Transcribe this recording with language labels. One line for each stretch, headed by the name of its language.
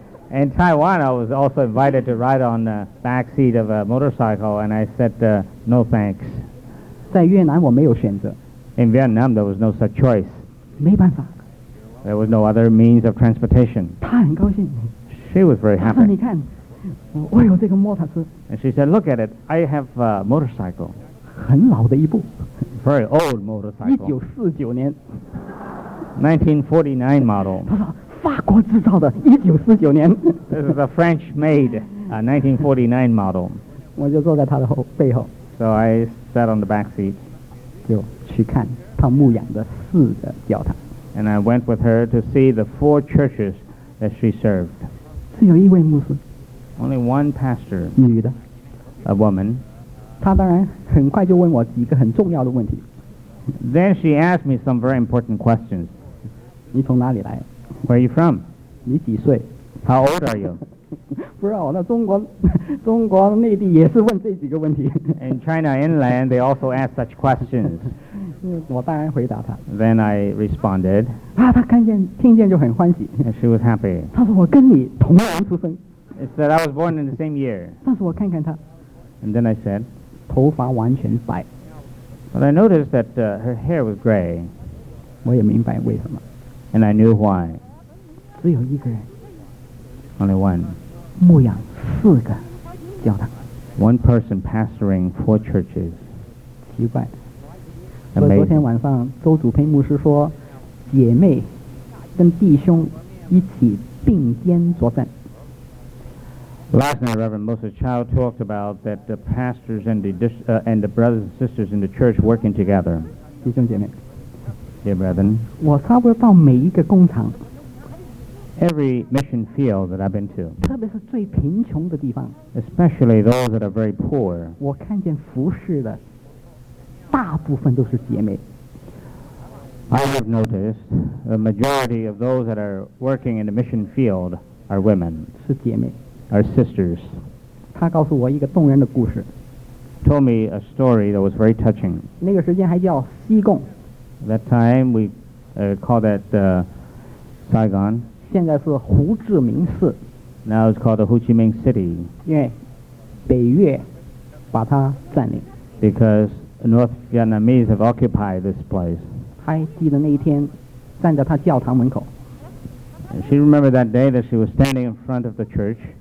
English: In Taiwan, I was also invited to ride on the back seat of a motorcycle, and I said, no thanks.
Chinese: 在越南我没有选择。
English: In Vietnam, there was no such choice.
Chinese: 没办法。
English: There was no other means of transportation.
Chinese: 她很高兴。
English: She was very happy.
Chinese: 她说你看，我有这个摩托车。
English: And she said, look at it, I have a motorcycle.
Chinese: 很老的一部
English: very old motorcycle
Chinese: 1949年
English: 1949 model
Chinese: 他说法国制造的1949年
English: this is a French made 1949 model
Chinese: 我就坐在他的后背后
English: so I sat on the back seat
Chinese: 就去看他牧养的四个教堂
English: and I went with her to see the four churches that she served
Chinese: 只有一位牧师
English: only one pastor
Chinese: 女的
English: a woman
Chinese: 他当然很快就问我几个很重要的问题。
English: Then she asked me some very important questions.
Chinese: 你从哪里来
English: ？Where are you from?
Chinese: 你几岁
English: ？How old are you?
Chinese: 不知道，那中国内地也是问这几个问题。
English: In China inland, they also ask such questions.
Chinese: 我当然回答他。
English: Then I responded.
Chinese: 啊，他听见就很欢喜。
English: And she was happy.
Chinese: 他说我跟你同年出生。
English: She said I was born in the same year.
Chinese: 但是我看看他。
English: And then I said,
Chinese: 头发完全白。
English: But I noticed that her hair was gray.
Chinese: 我也明白为什么。
English: And I knew why.
Chinese: 只有一个人。
English: Only one.
Chinese: 牧养四个教堂。
English: One person pastoring four churches.
Chinese: 奇怪。
English: Amazing.
Chinese: 所以昨天晚上周祖培牧师说，姐妹跟弟兄一起并肩作战。
English: Last night, Reverend Moses Chow talked about that the pastors and the brothers and sisters in the church working together.
Chinese: 弟兄姐妹
English: Dear brethren,
Chinese: 我差不多到每一个工厂
English: every mission field that I've been to,
Chinese: 特别是最贫穷的地方
English: especially those that are very poor,
Chinese: 我看见服侍的大部分都是姐妹
English: I have noticed the majority of those that are working in the mission field are women.
Chinese: 是姐妹
English: Our sisters.
Chinese: 他告诉我一个动人的故事。
English: Told me a story that was very touching.
Chinese: 那个时间还叫西贡。
English: That time we called that Saigon.
Chinese: 现在是胡志明市。
English: Now it's called the Ho Chi Minh City.
Chinese: 因为北越把它占领。
English: Because North Vietnamese have occupied this place.
Chinese: 还记得那一天站在他教堂门口。
English: And she remembered that day that she was standing in front of the church.